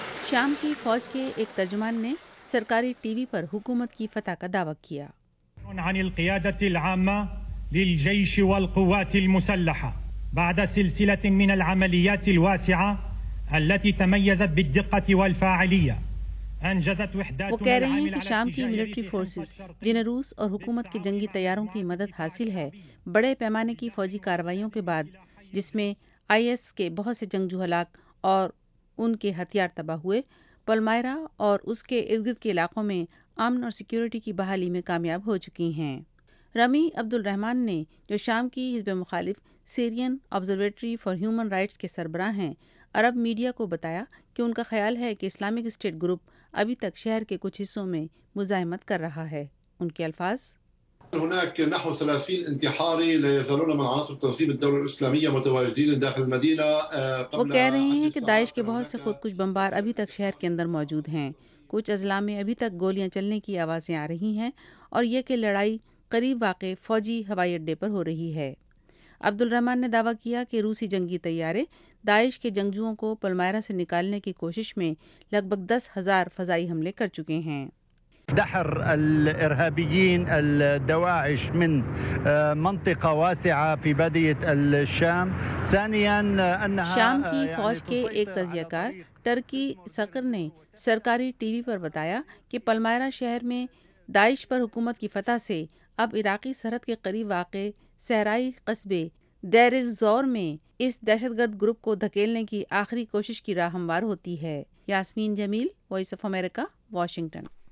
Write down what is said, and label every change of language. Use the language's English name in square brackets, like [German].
[Urdu] شام کی فوج کے ایک ترجمان نے سرکاری ٹی وی پر حکومت کی فتح کا دعویٰ کیا۔ [Arabic] عن القيادة العامة للجيش والقوات المسلحة بعد سلسلة من العمليات الواسعة التي تميزت بالدقة والفاعلية انجزت وحدات [Urdu] وہ کہہ رہے ہیں کہ شام کی ملٹری فورسز، جنہیں روس اور حکومت کے جنگی طیاروں کی مدد حاصل ہے، بڑے پیمانے کی فوجی کارروائیوں کے بعد، جس میں IS کے بہت سے جنگجو ہلاک اور ان کے ہتھیار تباہ ہوئے، پلمائرا اور اس کے ارد گرد کے علاقوں میں امن اور سیکیورٹی کی بحالی میں کامیاب ہو چکی ہیں۔ رمی عبد الرحمان نے، جو شام کی حزب مخالف سیرین آبزرویٹری فار ہیومن رائٹس کے سربراہ ہیں، عرب میڈیا کو بتایا کہ ان کا خیال ہے کہ اسلامک اسٹیٹ گروپ ابھی تک شہر کے کچھ حصوں میں مزاحمت کر رہا ہے۔ ان کے الفاظ، [Arabic] هناك نحو 30 انتحاري لا يزالون من عناصر تنظيم الدوله الاسلاميه متواجدين داخل المدينه۔ [Urdu] وہ کہہ رہے ہیں کہ داعش کے بہت سے خود کش بمبار ابھی تک شہر کے اندر موجود ہیں، کچھ اضلاع میں ابھی تک گولیاں چلنے کی آوازیں آ رہی ہیں، اور یہ کہ لڑائی قریب واقع فوجی ہوائی اڈے پر ہو رہی ہے۔ عبد الرحمان نے دعویٰ کیا کہ روسی جنگی طیارے داعش کے جنگجوؤں کو پلمائرا سے نکالنے کی کوشش میں لگ بھگ 10,000 فضائی حملے کر چکے ہیں۔ [Arabic] دحر الارهابيين الدواعش من منطقه واسعه في باديه الشام ثانيا انها [Urdu] شام کی فوج کے ایک تجزیہ کار ٹرکی سکر نے سرکاری ٹی وی پر بتایا کہ پلمائرا شہر میں داعش پر حکومت کی فتح سے اب عراقی سرحد کے قریب واقع صحرائی قصبے دیر الزور میں اس دہشت گرد گروپ کو دھکیلنے کی آخری کوشش کی راہ ہموار ہوتی ہے۔ یاسمین جمیل، وائس آف امریکہ، واشنگٹن۔